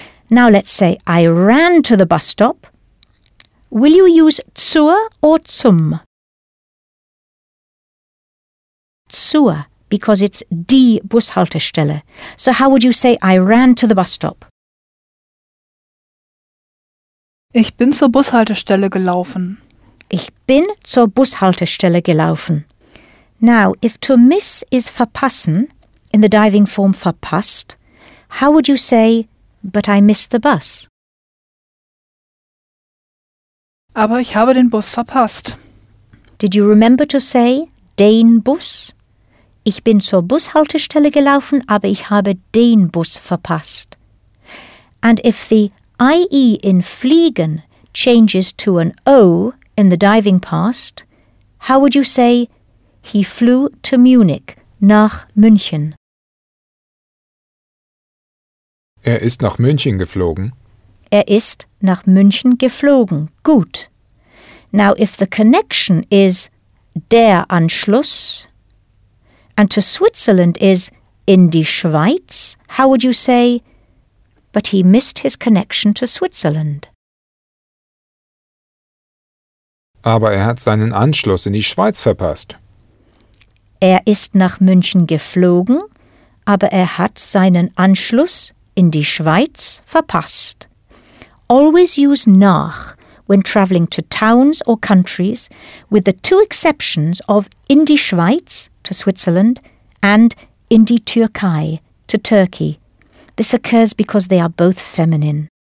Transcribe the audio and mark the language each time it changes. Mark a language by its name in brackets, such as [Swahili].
[English] Now let's say I ran to the bus stop. Will you use zur or zum? Zur, because it's die Bushaltestelle. So how would you say I ran to the bus stop? [German] Ich bin zur Bushaltestelle gelaufen. Ich bin zur Bushaltestelle gelaufen. [English] Now, if to miss is verpassen, in the diving form verpasst, how would you say, but I missed the bus? [German] Aber ich habe den Bus verpasst. [English] Did you remember to say, den Bus? [German] Ich bin zur Bushaltestelle gelaufen, aber ich habe den Bus verpasst. [English] And if the IE in fliegen changes to an O in the diving past, how would you say, he flew to Munich, nach München? [German] Er ist nach München geflogen. Er ist nach München geflogen. Gut. [English] Now, if the connection is der Anschluss and to Switzerland is in die Schweiz, how would you say, but he missed his connection to Switzerland? [German] Aber er hat seinen Anschluss in die Schweiz verpasst. Er ist nach München geflogen, aber er hat seinen Anschluss in die Schweiz verpasst. [English] Always use nach when traveling to towns or countries, with the two exceptions of in die Schweiz, to Switzerland, and in die Türkei, to Turkey. This occurs because they are both feminine.